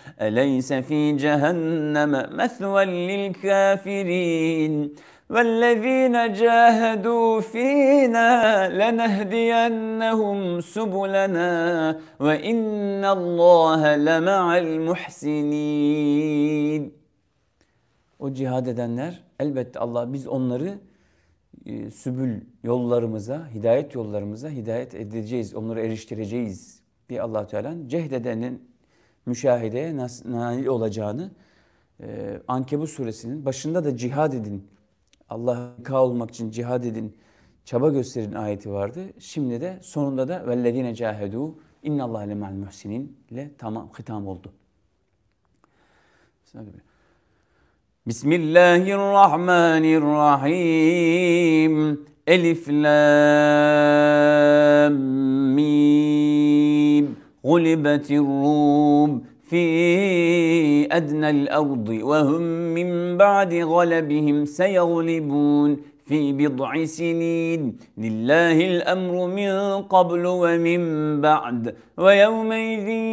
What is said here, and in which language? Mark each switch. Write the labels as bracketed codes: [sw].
[ar] أليس في جهنم مثوى للكافرين والذين جاهدوا فينا لنهدينهم سبلنا وإن الله لمع المحسنين. [tr] O cihad edenler elbette Allah biz onları sübül yollarımıza, hidayet yollarımıza hidayet edeceğiz, onları eriştireceğiz diye Allah-u Teala cehdedenin müşahedeye nail olacağını Ankebut suresinin başında da cihad edin, Allah'a olmak için cihad edin, çaba gösterin ayeti vardı. Şimdi de sonunda da [ar] وَالَّذ۪ينَ جَاهَدُوا اِنَّ اللّٰهَ لَمَا الْمُحْسِنِينَ [tr] ile tamam, hitam oldu. [ar] بسم الله الرحمن الرحيم ألف لام ميم غلبت الروم في أدنى الأرض وهم من بعد غلبهم سيغلبون في بضع سنين لله الأمر من قبل ومن بعد ويومئذ